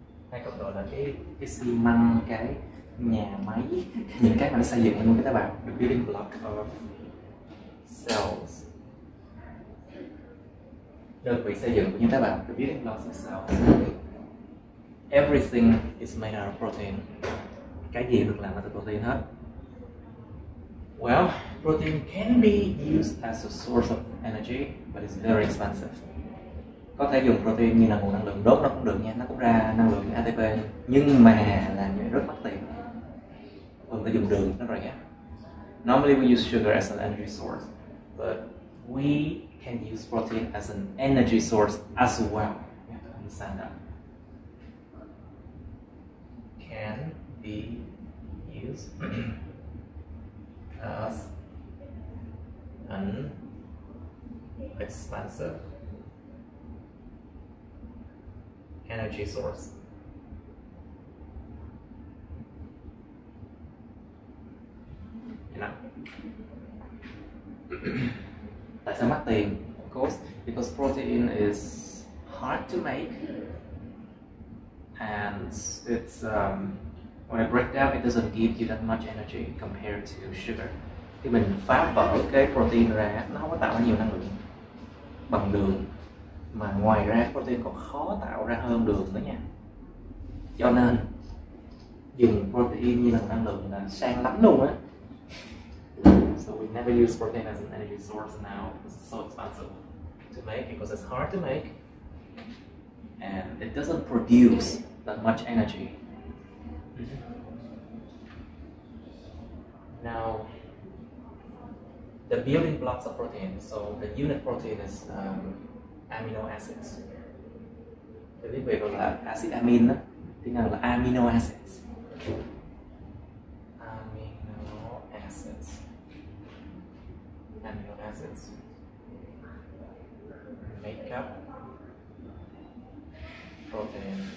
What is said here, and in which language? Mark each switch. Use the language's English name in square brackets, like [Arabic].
[Vietnamese] Hay còn gọi là cái xi măng, cái nhà máy, những cái mà nó xây dựng lên cái tế bào, [English] the building block of cells. [Vietnamese] Đơn vị xây dựng của những tế bào, [English] the building blocks of cells. Everything is made out of protein. [Vietnamese] Cái gì được làm từ protein hết? [English] Well, protein can be used as a source of energy, but it's very expensive. [Vietnamese] Có thể dùng protein như là nguồn năng lượng đốt nó cũng được nha, nó cũng ra năng lượng ATP, nhưng mà làm như vậy rất mất tiền. Còn phải dùng đường nó rẻ. [English] Normally we use sugar as an energy source, but we can use protein as an energy source as well. You have to understand that. Can be used as an expensive energy source. You know? That's a [Vietnamese] mắc tiền, [English] of course, because protein is hard to make and it's when it breaks down, it doesn't give you that much energy compared to sugar. [Vietnamese] Thì mình phá vỡ cái protein ra, nó không có tạo nhiều năng lượng bằng đường. Mà ngoài ra, protein còn khó tạo ra hơn đường nữa nha. Cho nên, dùng protein như là năng lượng là sang lắm luôn á. [English] So we never use protein as an energy source now. It's so expensive to make because it's hard to make. And it doesn't produce that much energy. Now, the building blocks of protein, so the unit protein is amino acids. The thing we call acid amine, [Vietnamese] tiếng Anh là [English] amino acids. Amino acids make up protein.